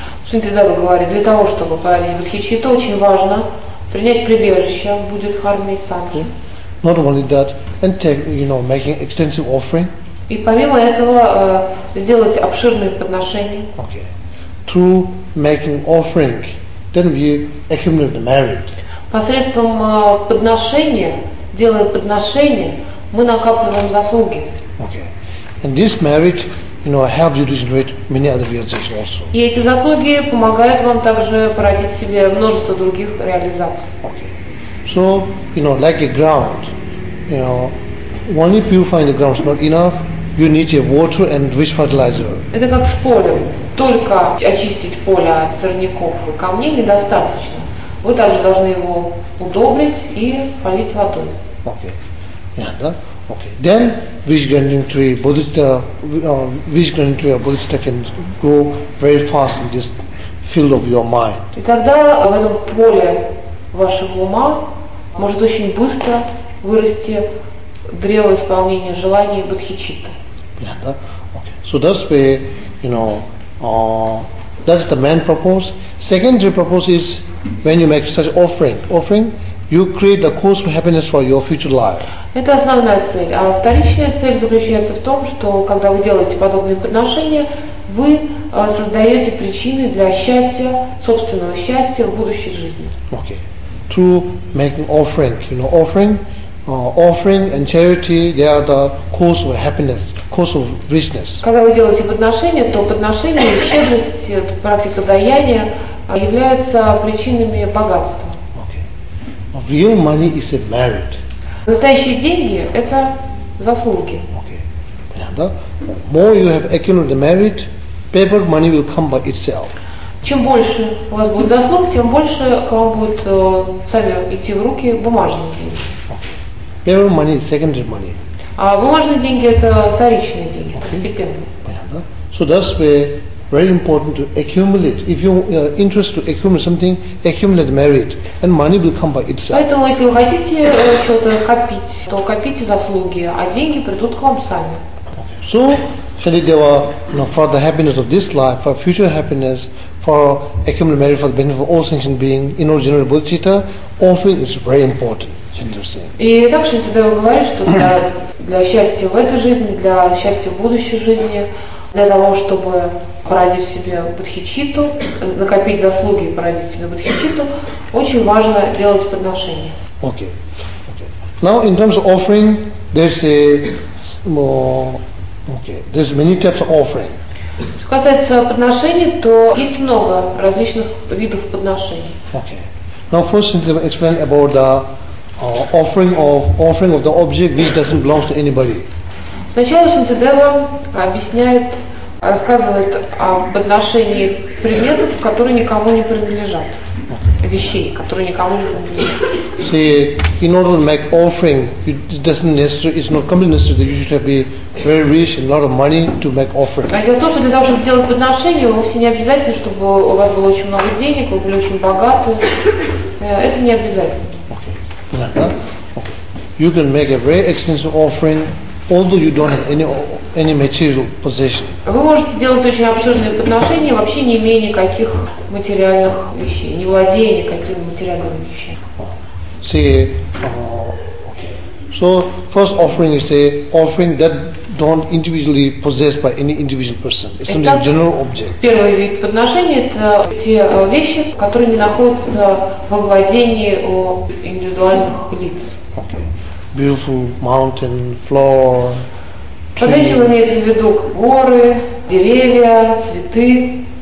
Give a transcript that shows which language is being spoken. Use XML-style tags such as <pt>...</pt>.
<ru>Шинтидава говорит, для того, чтобы парень восхищить, очень важно принять прибежище в Будде Дхарме и Сангхе.</ru> <en>Not only that, and take, you know, making extensive offering.</en> <ru>И помимо этого сделать обширные подношения.</ru> <en>Okay. Through making offering, then we accumulate the merit.</en> <ru>Посредством подношения, делая подношения, мы накапливаем заслуги.</ru> <en>Okay. And this merit, you know, help you to generate many other realizations also.</en> <ru>И эти заслуги помогают вам также породить себе множество других реализаций.</ru> <en>Okay. So, you know, like a ground, you know, only purifying the ground is not enough. You need a water and rich fertilizer.</en> <ru>Это как с полем. Только очистить поле от сорняков и камней недостаточно. Вы также должны его удобрить и полить водой.</ru> <en>Okay. Yeah,</en> <ru>да?</ru> <en>Okay. Then, which granting tree of Bodhisattva can grow very fast in this field of your mind.</en> <ru>И тогда в этом поле вашего ума может очень быстро вырасти древо исполнения желаний бодхичитта.</ru> <en>Yeah,</en> <ru>да?</ru> <en>Okay. So that's where, you know, that's the main purpose. Secondary purpose is when you make such offering. You create the cause for happiness for your future life.</en> <ru>Это основная цель. А вторичная цель заключается в том, что когда вы делаете подобные подношения, вы создаете причины для счастья, собственного счастья в будущей жизни.</ru> <en>Okay. Through making offering, you know, offering and charity, they are the cause of happiness, cause of richness.</en> <ru>Когда вы делаете подношения, то подношения, щедрость, практика даяния являются причинами богатства.</ru> <en>Real money is a merit.</en> <ru>Настоящие деньги – это заслуги.</ru> <en>Okay. And the more you have accumulated the merit, paper money will come by itself.</en> <ru>Чем больше у вас будет заслуг, тем больше к вам будут сами идти в руки бумажные деньги.</ru> <en>Okay. Paper money is secondary money.</en> <ru>А бумажные деньги – это вторичные деньги, постепенные.</ru> <en>Okay. And so that's where very important to accumulate. If you are interested to accumulate something, accumulate merit, and money will come by itself.</en> <ru>Поэтому если вы хотите что-то копить, то копите заслуги, а деньги придут к вам сами.</ru> <en>So, Shalidewa, for the happiness of this life, for future happiness, for accumulate merit, for the benefit of all sentient beings, in order to generate bodhicitta, offering is very important.</en> <ru>И так Шинтидева говорит, что для счастья в этой жизни, для счастья в будущей жизни, для того, чтобы породить себе бодхичитту, накопить заслуги и породить себе бодхичитту, очень важно делать подношения.</ru> <en>Okay. Okay. Now in terms of offering, there's many types of offering.</en> <ru>Что касается подношений, то есть много различных видов подношений.</ru> <en>Okay. Now first Шинтидева explain about the offering of the object which doesn't belong to anybody.</en> <ru>Сначала Шинтидева объясняет, рассказывает об отношении предметов, которые никому не принадлежат, вещей, которые никому не принадлежат.</ru> <en>See, in order to make offering, it doesn't necessary, it's not completely necessary that you should be very rich and a lot of money to make offering.</en> <ru>А дело в том, что для того, чтобы делать подношение, вовсе не обязательно, чтобы у вас было очень много денег, вы были очень богаты. Это не обязательно.</ru> <en>You can make a very extensive offering, although you don't have any material possession.</en> <ru>Вы можете делать очень обширные подношения, вообще не имея никаких материальных вещей, не владея никакими материальными вещами.</ru> <en>See, so first offering is a offering that don't individually possessed by any individual person. It's only a general object.</en> <ru>Первый вид подношения – это те вещи, которые не находятся во владении у индивидуальных лиц.</ru> <en>Beautiful mountain, flower, trees.</en> <ru>Под этим имеется в виду горы, деревья, цветы.</ru>